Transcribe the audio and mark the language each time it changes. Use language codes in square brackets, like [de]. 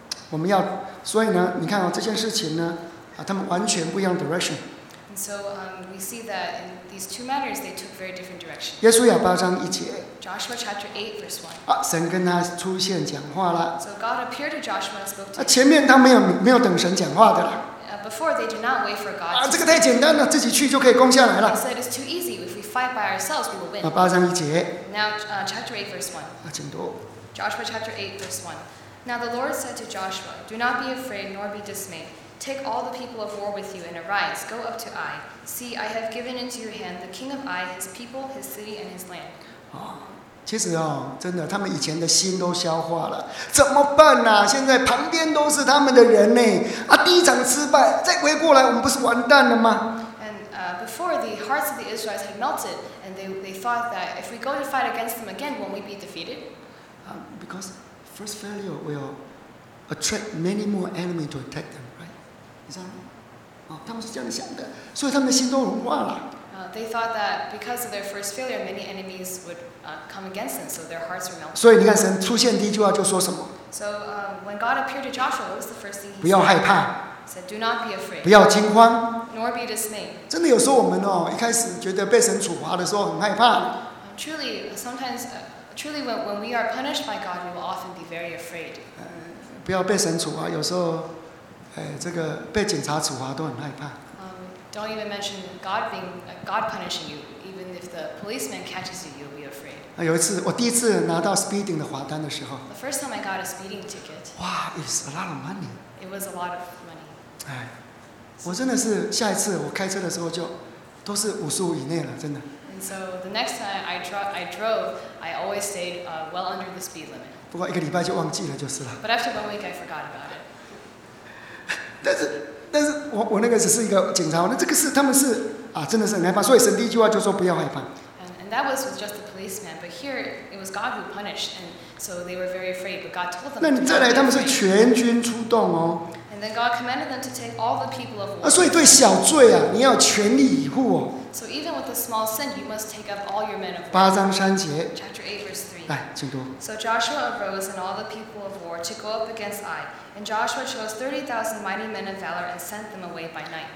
[zh] 我们要，所以呢，你看啊、哦，这件事情呢，啊，他们完全不一样 direction。 [en] And so, we see that in these two matters, they took very different directions. [zh] 耶稣亚八章一节。 [en] Joshua chapter 8 verse 1. [zh] 啊，神跟他出现讲话了。 [en] So God appeared to Joshua and spoke to him. [zh] 啊，前面他没有等神讲话的啦。 [en] Before they did not wait for God. [zh] 啊，这个太简单了，自己去就可以攻下来了。 [en] He said it's too easy. If we fight by ourselves, we will win. [zh] 啊，八章一节。 [en] Now, chapter 8 verse 1. [zh] 啊，请读。 [en] Joshua chapter 8 verse 1. Now the Lord said to Joshua, "Do not be afraid nor be dismayed. Take all the people of war with you and arise. Go up to Ai. See, I have given into your hand the king of Ai, his people, his city, and his land." [zh] 啊，其实哦，真的，他们以前的心都消化了，怎么办呢、啊？现在旁边都是他们的人呢。啊，第一场失败，再回过来，我们不是完蛋了吗？ [en] Before the hearts of the Israelites had melted, and they thought that if we go to fight against them again, won't we be defeated? Because first failure will attract many more enemy to attack them, right? Is that right? [zh] 哦，他们是这样想的，所以他们的心都融化了。 [en] They thought that because of their first failure, many enemies would come against them, so their hearts were melted. [zh] 所以你看，神出现第一句话就说什么 [en] ？So when God appeared to Joshua, what was the first thing he said? [zh] 不要害怕。 [en] Said, "Do not be afraid." [zh] 不要惊慌。 [en] Nor be dismayed. [zh] 真的，有时候我们哦，一开始觉得被神处罚的时候很害怕。 [en] Truly, sometimes. Truly, when we are punished by God, we will often be very afraid. [zh] 不要被神处罚，有时候，这个被警察处罚都很害怕。 [en] Don't even mention God punishing you. Even if the policeman catches you, you'll be afraid. [zh] 有一次，我第一次拿到 speeding 的罚单的时候。 [en] The first time I got a speeding ticket. Wow, it's a lot of money. It was a lot of money. [zh] 我真的是下一次我开车的时候就都是55以内了，真的。 [en] So the next time I drove, I always stayed well under the speed limit. [zh] 不过一个礼拜就忘记了就是了。 [en] But after 1 week, I forgot about it. [zh] 但是我那个只是一个警察，那这个是他们是啊，真的是很害怕。所以神第一句话就说不要害怕。 [en] And that was with just the policeman, but here it was God who punished, and so they were very afraid. But God told them. [zh] 那你再来，他们是全军出动哦。 [en] And then God commanded them to take all the people of war. [zh] 啊，所以对小罪啊，你要全力以赴哦。 [en] So even with a small sin, you must take up all your men of war. [zh] 八章三节。 [en] Chapter 8, verse 3. [zh] 来，请读。 [en] So Joshua arose and all the people of war to go up against Ai. And Joshua chose 30,000 mighty men of valor and sent them away by night.